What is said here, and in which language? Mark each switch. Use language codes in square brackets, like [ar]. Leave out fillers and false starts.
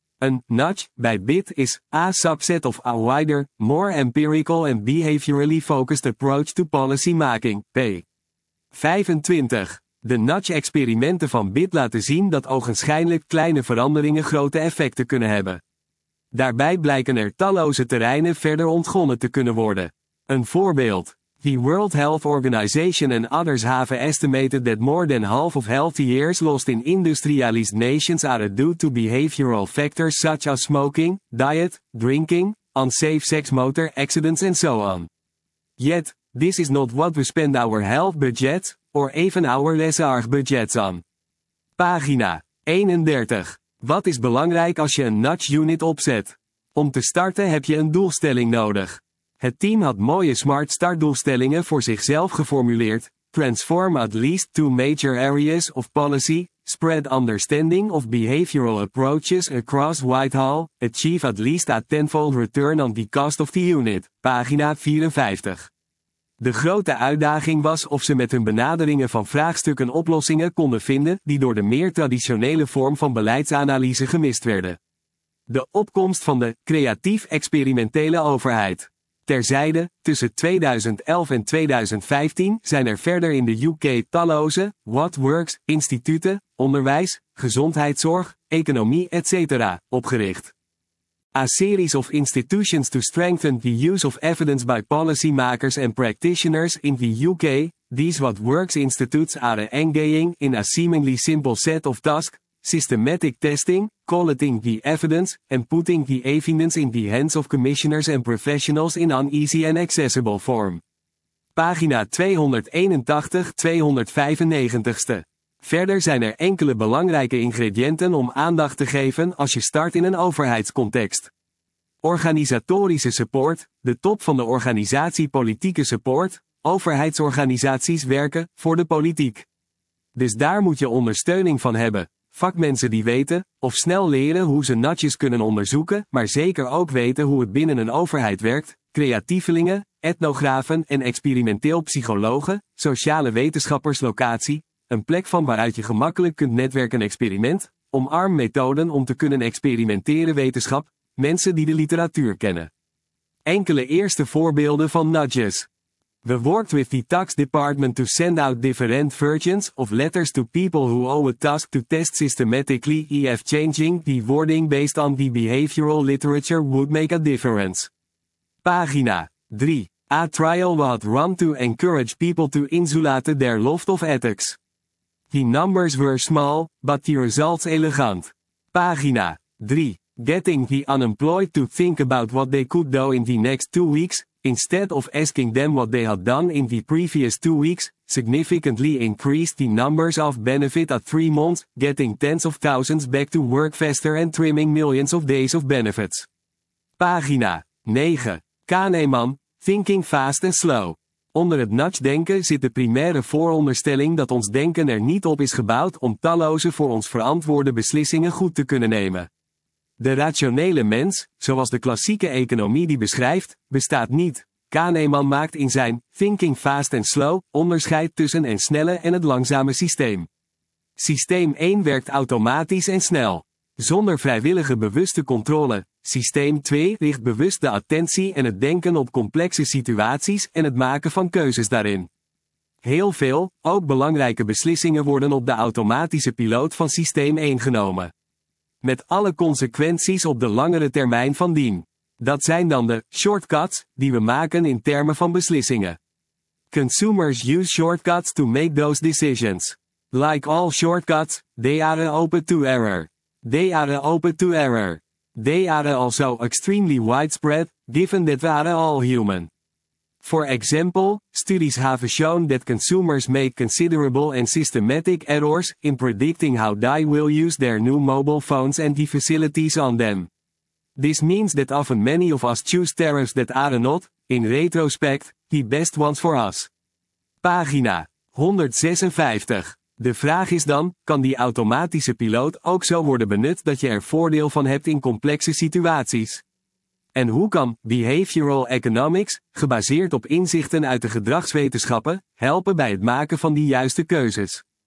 [nl] Een nudge bij BIT [en] is a subset of a wider, more empirical and behaviorally focused approach to policy making, p. 25. [nl] De nudge-experimenten van BIT laten zien dat ogenschijnlijk kleine veranderingen grote effecten kunnen hebben. Daarbij blijken er talloze terreinen verder ontgonnen te kunnen worden. Een voorbeeld. [en] The World Health Organization and others have estimated that more than half of healthy years lost in industrialized nations are due to behavioral factors such as smoking, diet, drinking, unsafe sex, motor accidents and so on. Yet, this is not what we spend our health budgets, or even our LESARG budgets on. [nl] Pagina 31. Wat is belangrijk als je een nudge unit opzet? Om te starten heb je een doelstelling nodig. Het team had mooie smart startdoelstellingen voor zichzelf geformuleerd. [en] Transform at least two major areas of policy. Spread understanding of behavioral approaches across Whitehall. Achieve at least a tenfold return on the cost of the unit. [nl] Pagina 54. De grote uitdaging was of ze met hun benaderingen van vraagstukken oplossingen konden vinden die door de meer traditionele vorm van beleidsanalyse gemist werden. De opkomst van de creatief-experimentele overheid. Terzijde, tussen 2011 en 2015 zijn er verder in de UK talloze, what works, instituten, onderwijs, gezondheidszorg, economie etc. opgericht. [en] A series of institutions to strengthen the use of evidence by policymakers and practitioners in the UK, these what works institutes are engaging in a seemingly simple set of tasks, systematic testing, collecting the evidence, and putting the evidence in the hands of commissioners and professionals in an easy and accessible form. [nl] Pagina 281-295. Verder zijn er enkele belangrijke ingrediënten om aandacht te geven als je start in een overheidscontext. Organisatorische support, de top van de organisatie politieke support, overheidsorganisaties werken voor de politiek. Dus daar moet je ondersteuning van hebben. Vakmensen die weten, of snel leren hoe ze nudges kunnen onderzoeken, maar zeker ook weten hoe het binnen een overheid werkt, creatievelingen, etnografen en experimenteel psychologen, sociale wetenschappers locatie, een plek van waaruit je gemakkelijk kunt netwerken experiment, omarm methoden om te kunnen experimenteren wetenschap, mensen die de literatuur kennen. Enkele eerste voorbeelden van nudges. [en] We worked with the tax department to send out different versions of letters to people who owe a task to test systematically if changing the wording based on the behavioral literature would make a difference. [nl] Pagina 3. [en] A trial was run to encourage people to insulate their loft of ethics. The numbers were small, but the results elegant. [nl] Pagina 3. [en] Getting the unemployed to think about what they could do in the next 2 weeks, instead of asking them what they had done in the previous 2 weeks, significantly increased the numbers of benefit at 3 months, getting tens of thousands back to work faster and trimming millions of days of benefits. [nl] Pagina 9. Kahneman, Thinking Fast and Slow. Onder het nudge-denken zit de primaire vooronderstelling dat ons denken er niet op is gebouwd om talloze voor ons verantwoorde beslissingen goed te kunnen nemen. De rationele mens, zoals de klassieke economie die beschrijft, bestaat niet. Kahneman maakt in zijn Thinking Fast and Slow onderscheid tussen het snelle en het langzame systeem. Systeem 1 werkt automatisch en snel, zonder vrijwillige bewuste controle. Systeem 2 richt bewust de attentie en het denken op complexe situaties en het maken van keuzes daarin. Heel veel, ook belangrijke beslissingen worden op de automatische piloot van systeem 1 genomen. Met alle consequenties op de langere termijn van dien. Dat zijn dan de shortcuts die we maken in termen van beslissingen. [en] Consumers use shortcuts to make those decisions. Like all shortcuts, they are open to error. They are open to error. They are also extremely widespread, given that we are all human. For example, studies have shown that consumers make considerable and systematic errors in predicting how they will use their new mobile phones and the facilities on them. This means that often many of us choose tariffs that are not, in retrospect, the best ones for us. [nl] Pagina 156. De vraag is dan, kan die automatische piloot ook zo worden benut dat je er voordeel van hebt in complexe situaties? En hoe kan behavioral economics, gebaseerd op inzichten uit de gedragswetenschappen, helpen bij het maken van die juiste keuzes?